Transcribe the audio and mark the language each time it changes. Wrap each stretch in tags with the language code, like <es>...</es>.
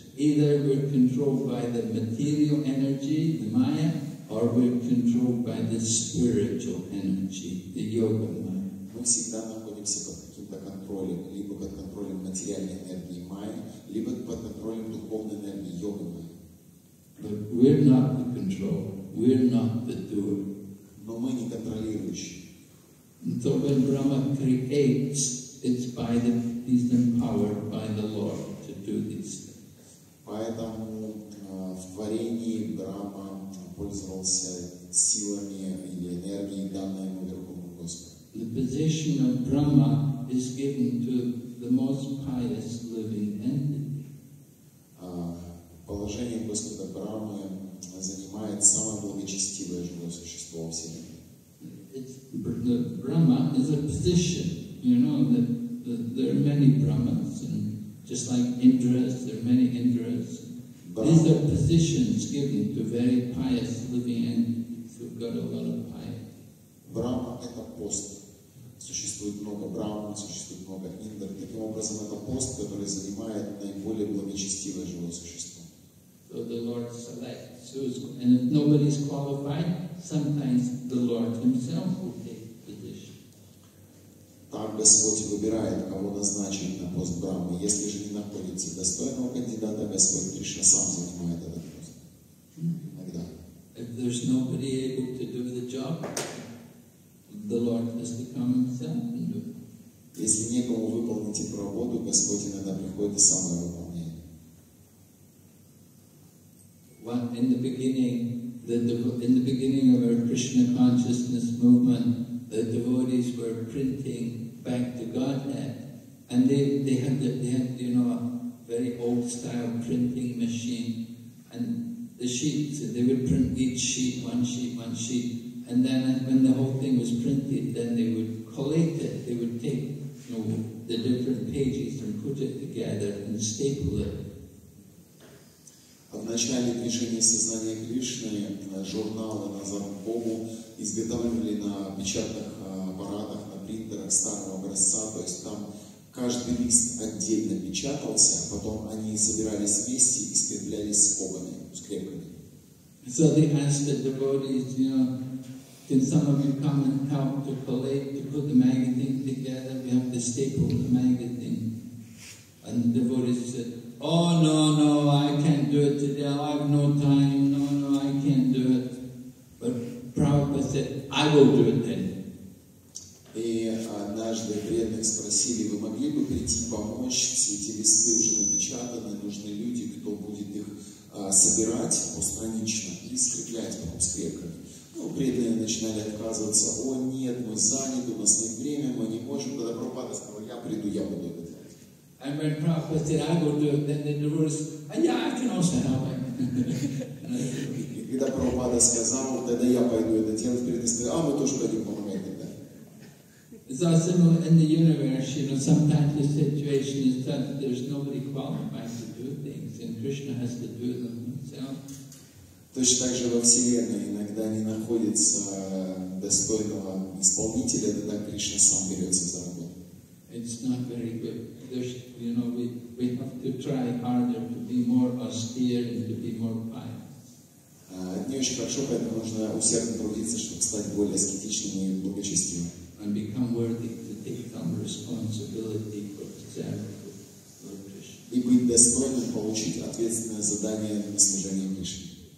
<en>Either we're controlled by the material energy, the Maya, or we're controlled by the spiritual energy, the Yoga Maya.</en> <ru>Мы всегда находимся под каким-то контролем, либо под контролем материальной энергии Майя, либо под контролем духовной энергии Йога Майя.</ru> <en>But we're not the control. We're not the doer.</en> <ru>Но мы не контролирующие.</ru> <en>So when Brahma creates, it's by the He's empowered by the Lord to do these things.</en> <ru>Поэтому в творении Брама пользовался силами или энергией, данной ему Верховным Господом.</ru> <en>The position of Brahma is given to the most pious living entity.</en> <ru>Положение Господа Брамы занимает самое благочестивое живое существо во Вселенной.</ru> <en>The Brahma is a position, you know, that there are many Brahmins, and just like Indras, there are many Indras. These are positions given to very pious living entities who've got a lot of piety.</en> <ru>Brahma – это пост. Существует много Брахм, существует много Индр. Таким образом, это пост, который занимает наиболее благочестивое живое существо.</ru> <en>So the Lord selects who's, and if nobody's qualified, sometimes the Lord himself will take.</en> <ru>Так Господь выбирает, кого назначить на пост Брамы. Если же не находится достойного кандидата, Господь Кришна сам занимает этот пост. Иногда.</ru> <en>If there's nobody able to do the job, the Lord has to come himself and do it.</en> <ru>Если некому выполнить эту работу, Господь иногда приходит и сам ее выполняет.</ru> <en>In the beginning of our Krishna consciousness movement, the devotees were printing back to Godhead, and they had a very old style printing machine, and the sheets, and they would print each sheet, one sheet, one sheet, and then when the whole thing was printed, then they would collate it, they would take, you know, the different pages and put it together and staple it. In</en> <ru>начале движения сознания Кришны журналы на Зампову изготавливали на печатных аппаратах, на принтерах старого образца, то есть там каждый лист отдельно печатался, а потом они собирались вместе и скреплялись скобами, скрепками.</ru> <en>So they asked the devotees, you know, can some of you come and help to collate, to put the magazine together? We have to staple the magazine. And the devotees said, oh, no, no, I can't do it today. I have no time. No, no, I can't do it. But Prabhupada said, I will do it then.</en> <ru>И однажды преданных спросили, вы могли бы прийти помочь, все эти листы уже напечатаны, нужны люди, кто будет их собирать постранично и скреплять потом скрепками. Ну, преданные начинали отказываться, о нет, мы заняты, у нас нет времени, мы не можем, тогда Прабхупада сказал, я приду, я буду это делать.</ru> <en>And when Prabhupada said, I will do it, then the devotees said, yeah, I can also help him.</en> <ru>Когда Прабхупада сказал, тогда я пойду это делать, преданные сказали, а мы тоже пойдем помогать тогда.</ru> <en>So similar in the universe, you know, sometimes the situation is that there's nobody qualified to do things, and Krishna has to do them himself. Точно так же во Вселенной иногда не находится достойного исполнителя, тогда Кришна сам берется за работу. It's not very good. There's, you know, we have to try harder to be more austere and to be more pious.</en> <ru>Не очень хорошо, поэтому нужно усердно трудиться, чтобы стать более аскетичным и благочестивым.</ru> <en>And become worthy to take some responsibility for the service of Lord Krishna.</en> <ru>И быть достойным получить ответственное задание на служение Кришне.</ru>